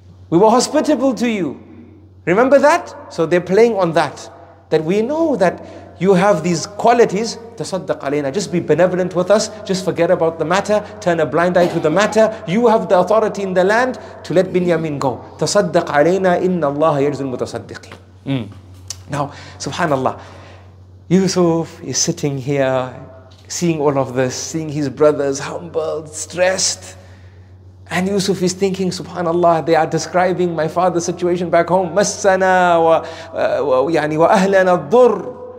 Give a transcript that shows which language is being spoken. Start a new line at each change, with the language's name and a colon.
English: We were hospitable to you. Remember that? So they're playing on that. That we know that you have these qualities.
Arabic: تصدق علينا.
English: Just be benevolent with us. Just forget about the matter. Turn a blind eye to the matter. You have the authority in the land to let Binyamin go.
Arabic: تصدق علينا إن الله يجزي المتصدقين.
English: Now, subhanAllah, Yusuf is sitting here, seeing all of this, seeing his brothers humbled, stressed. And Yusuf is thinking, subhanAllah, they are describing my father's situation back home.
Arabic: مَسَّنَا وَأَهْلَنَا الضُّرِّ.